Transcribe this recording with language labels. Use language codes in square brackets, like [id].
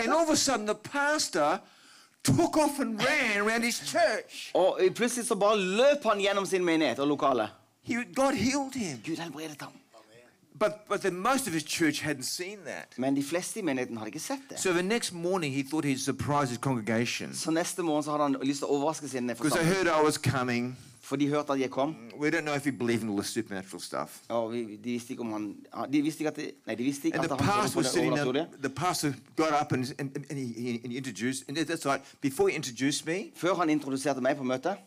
[en] And all of a sudden, the pastor took off and ran around his church. [no] Og plutselig så bare løp han gjennom sin menighet og lokale. [en] God healed him. [no] Gud helbredet ham. [en] But then most of his church hadn't seen that. [no] Men de fleste I menigheten hadde ikke sett det. [en] So the next morning he thought he'd surprise his congregation. [no] Så neste morgen så hadde han lyst til å overraske sine forsamling. [en] Because they heard I was coming. [no] For de hørte at jeg kom. [en] We don't know if he believed in all the supernatural stuff. [no] Oh, de visste ikke om han. De visste ikke at. Nei, de visste ikke [en] and [no] at han var på det overnaturlige. [en] The pastor got up and he introduced. And that's right. Before he introduced me. [no] Før han introduserte meg på møtet.